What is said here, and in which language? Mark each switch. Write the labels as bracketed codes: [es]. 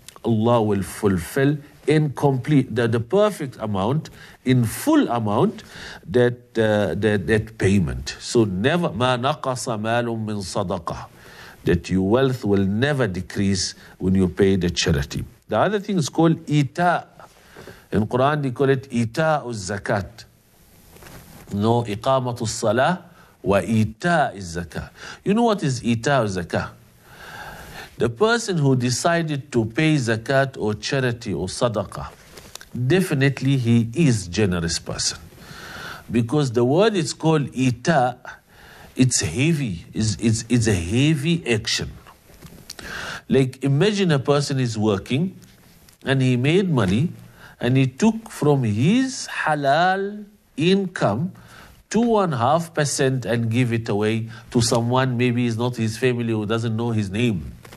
[en] Allah will fulfill incomplete, the perfect amount, in full amount, that payment. So never, [ar] ما نقص مال من صدقة, [en] that your wealth will never decrease when you pay the charity. The other thing is called إيتاء. In Quran, they call it [ar] إيتاء الزكاة. No, إقامة الصلاة وإيتاء الزكاة. [en] You know what is [ar] إيتاء الزكاة? [en] The person who decided to pay zakat or charity or sadaqah, definitely he is generous person. Because the word is called ita, It's heavy. It's a heavy action. Like, imagine a person is working and he made money and he took from his halal income 2.5% and give it away to someone, maybe he's not his family who doesn't know his name.